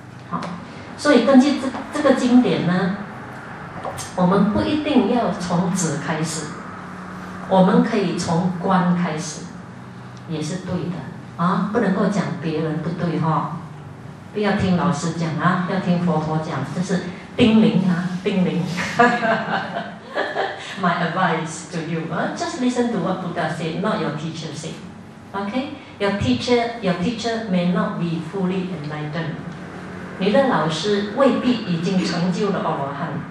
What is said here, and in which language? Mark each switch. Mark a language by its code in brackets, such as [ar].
[zh] 好，所以根据 这个经典呢，我们不一定要从止开始，我们可以从观开始，也是对的啊！不能够讲别人不对哈、哦，不要听老师讲啊，要听佛陀讲，这是叮咛啊，叮咛。 [en] My advice to you, just listen to what Buddha said, not your teacher said. Okay, your teacher may not be fully enlightened. [zh] 你的老师未必已经成就了阿罗汉。